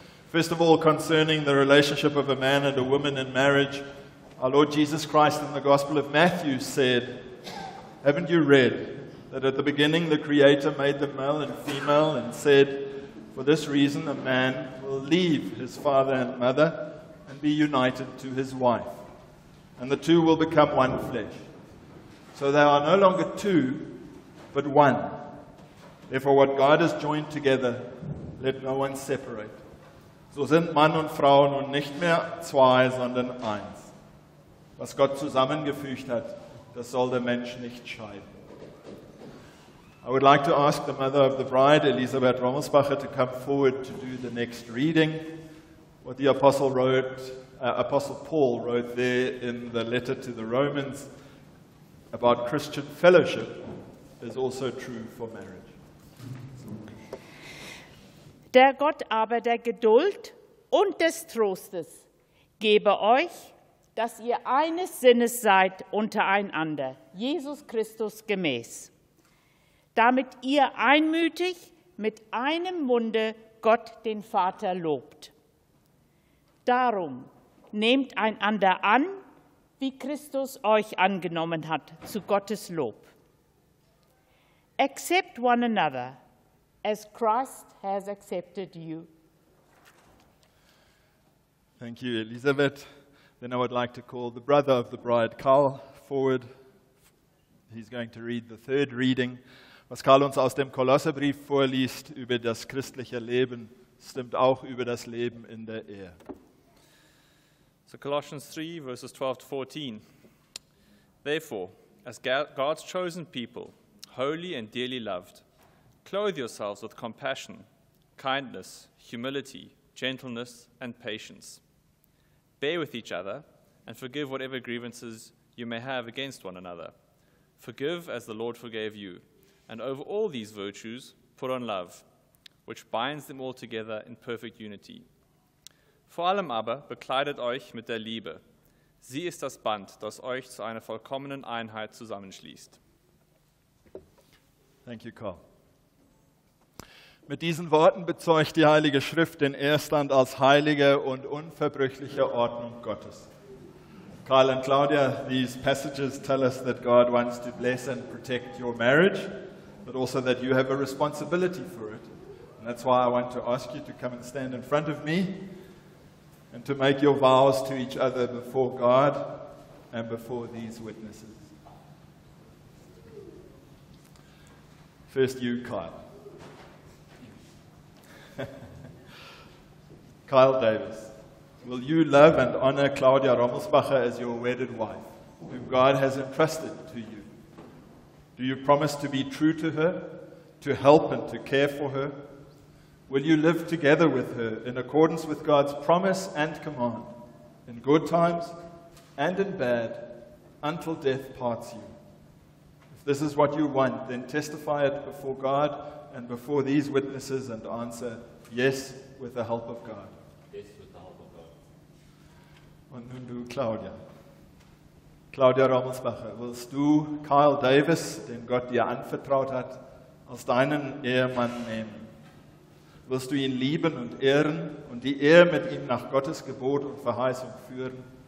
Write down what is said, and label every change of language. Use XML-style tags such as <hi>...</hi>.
<en>First of all, concerning the relationship of a man and a woman in marriage, our Lord Jesus Christ in the Gospel of Matthew said, haven't you read that at the beginning the Creator made them male and female and said, for this reason a man will leave his father and mother and be united to his wife, and the two will become one flesh. So they are no longer two, but one. Therefore, what God has joined together, let no one separate.</en> <de>So sind Mann und Frau nun nicht mehr zwei, sondern eins. Was Gott zusammengefügt hat, das soll der Mensch nicht scheiden.</de> <en>I would like to ask the mother of the bride, Elisabeth Rommelspacher, to come forward to do the next reading. What the Apostle wrote, Apostle Paul wrote there in the letter to the Romans about Christian fellowship is also true for marriage.</en> <de>Der Gott aber der Geduld und des Trostes gebe euch, dass ihr eines Sinnes seid untereinander, Jesus Christus gemäß. Damit ihr einmütig mit einem Munde Gott den Vater lobt. Darum nehmt einander an, wie Christus euch angenommen hat, zu Gottes Lob.</de> <en>Accept one another, as Christ has accepted you. Thank you, Elisabeth. Then I would like to call the brother of the bride, Karl, forward. He's going to read the third reading.</en> <de>Was Karl uns aus dem Kolosserbrief vorliest über das christliche Leben, stimmt auch über das Leben in der Ehe.</de> <en>So Colossians 3, verses 12 to 14. Therefore, as God's chosen people, holy and dearly loved, clothe yourselves with compassion, kindness, humility, gentleness, and patience. Bear with each other and forgive whatever grievances you may have against one another. Forgive as the Lord forgave you. And over all these virtues, put on love, which binds them all together in perfect unity.</en> <de>Vor allem aber bekleidet euch mit der Liebe. Sie ist das Band, das euch zu einer vollkommenen Einheit zusammenschließt.</de> <en>Thank you, Carl.</en> <de>Mit diesen Worten bezeugt die Heilige Schrift den Erstand als heilige und unverbrüchliche Ordnung Gottes.</de> <en>Carl and Claudia, these passages tell us that God wants to bless and protect your marriage, but also that you have a responsibility for it. And that's why I want to ask you to come and stand in front of me and to make your vows to each other before God and before these witnesses. First, you, Kyle. Kyle Davis, will you love and honor Claudia Rommelspacher as your wedded wife, whom God has entrusted to you? Do you promise to be true to her, to help and to care for her? Will you live together with her in accordance with God's promise and command, in good times and in bad, until death parts you? If this is what you want, then testify it before God and before these witnesses and answer, yes, with the help of God. Yes, with the help of God.</en> <de>Und nun du, Claudia. Claudia Rommelspacher, willst du Kyle Davis, den Gott dir anvertraut hat, als deinen Ehemann nehmen? Willst du ihn lieben und ehren und die Ehe mit ihm nach Gottes Gebot und Verheißung führen?</de>